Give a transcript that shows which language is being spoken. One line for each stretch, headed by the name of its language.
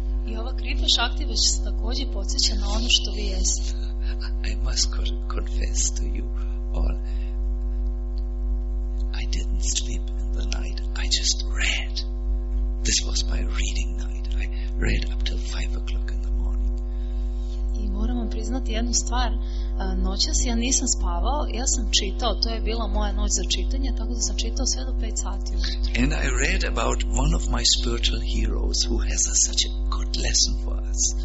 Bosnian: I ova Kripa Shakti već se također podsjeća na ono što vi jeste.
English: I must confess to you all, I didn't sleep in the night, I just read. This was my reading night. I read up till 5 o'clock in the morning.
Bosnian: I moram vam priznati jednu stvar. Noćas ja nisam spavao, ja sam čitao. To je bila moja noć za čitanje, tako da sam čitao sve do 5 sati.
English: And I read about one of my spiritual heroes who has such a good lesson for us.